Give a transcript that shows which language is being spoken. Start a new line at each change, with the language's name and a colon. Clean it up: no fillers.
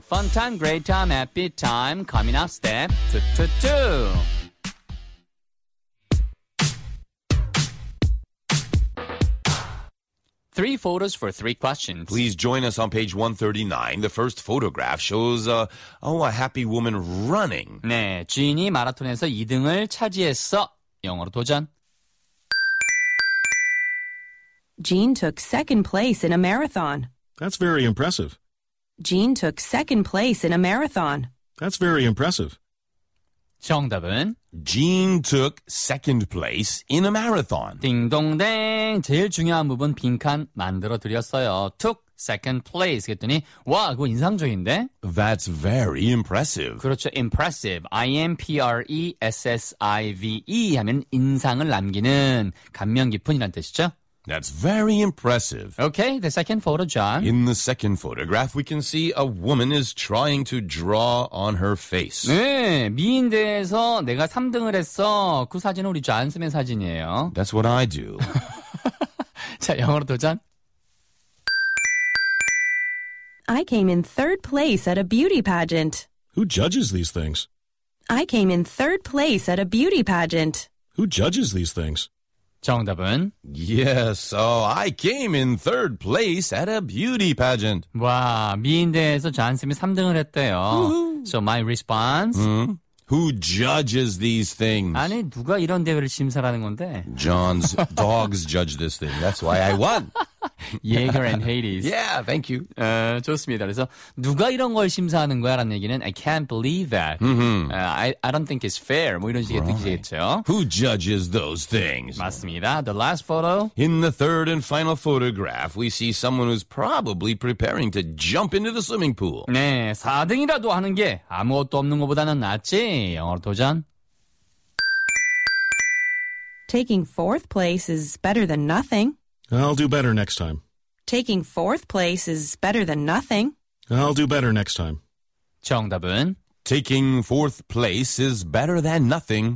English: Fun time, great time, happy time. Coming up, step 2-2-2. three photos for three questions. Please join us on page 139. The first photograph shows a happy woman running.
Korean: 네, 주인이 마라톤에서 2등을 차지했어. 영어로 도전.
English: Jean took second place in a marathon. That's very impressive. Jean took second place in a marathon. That's very impressive.
Korean: 정답은
English: Jean took second place in a marathon.
Korean: 딩동댕. 제일 중요한 부분 빈칸 만들어 드렸어요.
English: Took second place
Korean: 했더니 와, 그거 인상적인데?
English: That's very impressive.
Korean: 그렇죠. Impressive. I-M-P-R-E-S-S-I-V-E 하면 인상을 남기는 감명 깊은이란 뜻이죠.
English: That's very impressive. Okay, the second photo, John. In the second photograph, we can see a woman is trying to draw on her face.
Korean: 네, 미인대에서 내가 3등을 했어. 그 사진은 우리 존슨의 사진이에요.
English: That's what I do.
Korean: 자, 영어로 도전.
English: I came in third place at a beauty pageant. Who judges these things? I came in third place at a beauty pageant. Who judges these things?
Korean: 정답은?
English: Yes, I came in third place at a beauty pageant.
Korean: 와, 미인대에서 존슨이 3등을 했대요.
English: So my response? Mm-hmm. Who judges these things?
Korean: 아니, 누가 이런 대회를 심사하는 건데?
English: John's dogs judge this thing. That's why I won. Jaeger and Hades. Yeah, thank you.
Korean: 좋습니다. 그래서 누가 이런 걸 심사하는 거야? 라는 얘기는
English: I can't believe that. Mm-hmm. I don't think it's fair.
Korean: 뭐 이런 식의 뜻이겠죠.
English: Who judges those things?
Korean: 맞습니다.
English: The last photo. In the third and final photograph, we see someone who's probably preparing to jump into the swimming pool.
Korean: 네, 4등이라도 하는 게 아무것도 없는 것보다는 낫지. 영어로 도전.
English: Taking fourth place is better than nothing. I'll do better next time. Taking fourth place is better than nothing. I'll do better next time.
Korean: 정답은?
English: Taking fourth place is better than nothing.